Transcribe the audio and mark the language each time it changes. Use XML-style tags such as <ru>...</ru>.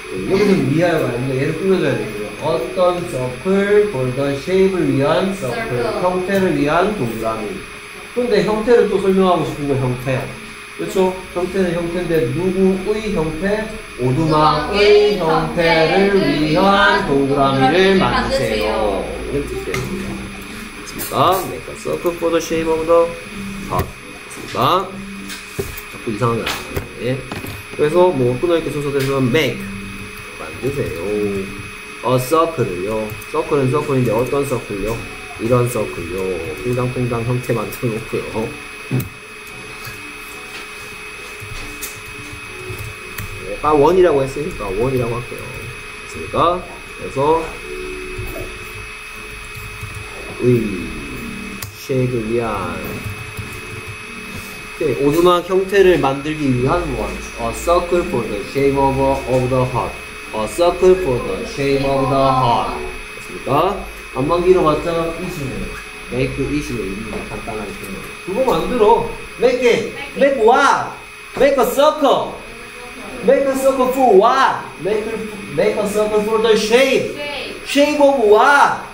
<ko>여기서는 위하여가 아닙니다. 얘를 꾸며줘야 되고요. 어떤 서클, 볼던 쉐입을 위한 서클, 형태를 위한 동그라미. 근데 형태를 또 설명하고 싶은 건 형태. 그렇죠? 형태는 형태인데 누구의 형태? 오두막의 형태를 위한 동그라미를 만드세요. 이런 뜻이 됩니다. 됐습니다.</ko> <en>Make a circle for the shape of the heart.</en> <ko>됐습니다. 자꾸 이상하게 나왔네. 그래서 뭐 끊어있게 순서대로 make 만드세요. A circle요. circle은 circle인데 어떤 circle요? 이런 circle요. 퐁당퐁당 형태 만들어놓고요. 아 원이라고 했으니까 원이라고 할게요. 됐습니까? 그래서 의 shape을 위한 네, 오두막 형태를 만들기 위한 원.</ko> <en>A circle for the shape of the heart. A circle for the shape of the heart.</en> <ko>됐습니까? 안만 길어봤자 이시네요.</ko> <en>Make</en> <ko>이시네요. 간단하게 표현. 그거 만들어.</ko> <en>Make it. Make what? Make a circle. Make a circle for what? Make a circle for the shape. Shape of what?</en>